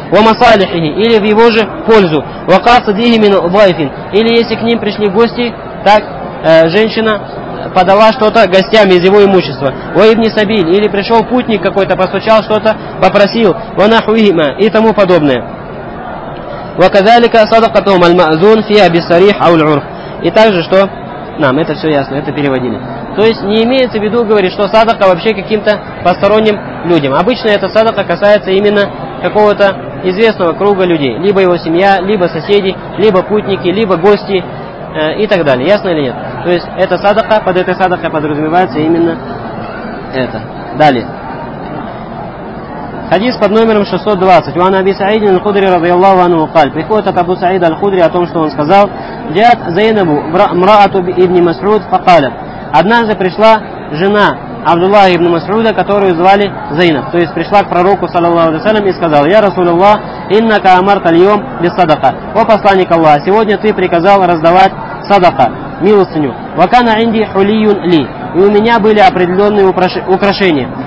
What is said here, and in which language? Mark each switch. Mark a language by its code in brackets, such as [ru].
[ar] Вамасалихи, [ru] или в его же пользу. [ar] Вакасадихи мин вайфин. [ru] Или если к ним пришли гости, так, женщина подала что-то гостям из его имущества. [ar] Ваибни сабиль, [ru] или пришел путник какой-то, постучал что-то, попросил. [ar] Ванахуима, [ru] и тому подобное. [ar] وكذلك صدقتهم المأذون فيها بالصريح أو العرف. [ru] И также что? Нам это все ясно, это переводили. То есть не имеется в виду, говорит, что садака вообще каким-то посторонним людям. Обычно эта садака касается именно какого-то известного круга людей. Либо его семья, либо соседи, либо путники, либо гости и так далее. Ясно или нет? То есть эта садака, под этой садакой подразумевается именно это. Далее. Хадис под номером 620. [ar] وعن أبي سعيد الخدري رضي الله عنه قال. [ru] Приходит от Абу Саида аль-Худри о том, что он сказал. [ar] جاءت زينب امرأة ابن مسعود فقالت. [ru] Однажды пришла жена Абдуллаха ибн Масуда, которую звали Зайнаб. То есть пришла к пророку, саллаллаху алейхи ва саллям, и сказала: [ar] «Я Расулуллах, иннака амарта льём бисадака». [ru] «О посланник Аллаха, сегодня ты приказал раздавать садака, милостыню». [ar] «Вакана инди хулиюн ли». [ru] «И у меня были определенные украшения».